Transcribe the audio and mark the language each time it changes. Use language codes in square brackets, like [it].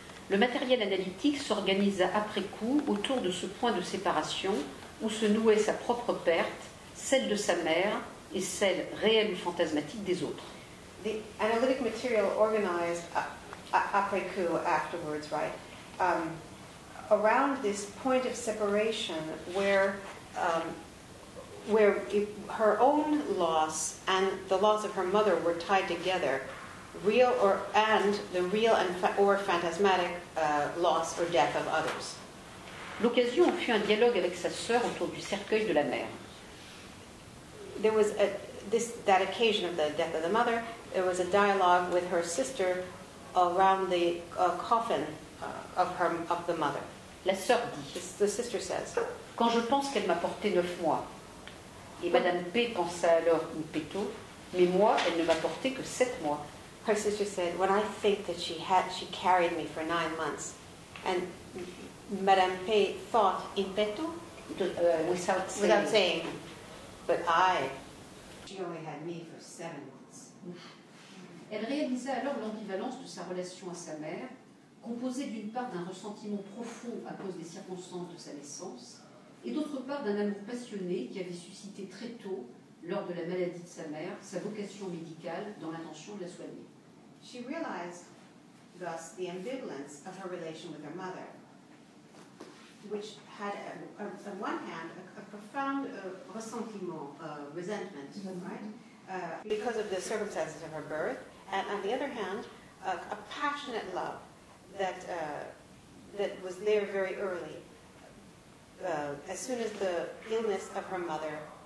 [fr] Le matériel analytique s'organisa après coup autour de ce point de séparation où se nouait sa propre perte, celle de sa mère et celle réelle ou fantasmatique des autres. [en] The analytic material organized après coup, afterwards, right, around this point of separation where it, her own loss and the loss of her mother were tied together, real or and the real and or phantasmatic loss or death of others. [fr] L'occasion fut un dialogue avec sa sœur autour du cercueil de la mère. [en] There was a, this that occasion of the death of the mother. There was a dialogue with her sister around the coffin of her of the mother. [fr] La sœur dit. [en] The sister says. [fr] Quand je pense qu'elle m'a porté 9 mois, et Madame P pensa alors une péto, mais moi, elle ne m'a porté que 7 mois. [en] Her sister said, when I think that she carried me for 9 months, and Madame P thought in petto, without saying, but she only had me for 7 months. [fr] Elle réalisa alors l'ambivalence de sa relation à sa mère, composée d'une part d'un ressentiment profond à cause des circonstances de sa naissance, et d'autre part d'un amour passionné qui avait suscité très tôt, lors de la maladie de sa mère, sa vocation médicale dans l'intention de la soigner. [en] She realized thus the ambivalence of her relation with her mother, which had, on one hand, a profound ressentiment, resentment, mm-hmm. right? Because of the circumstances of her birth, and on the other hand, a passionate love that that was there very early, as soon as the illness of her mother,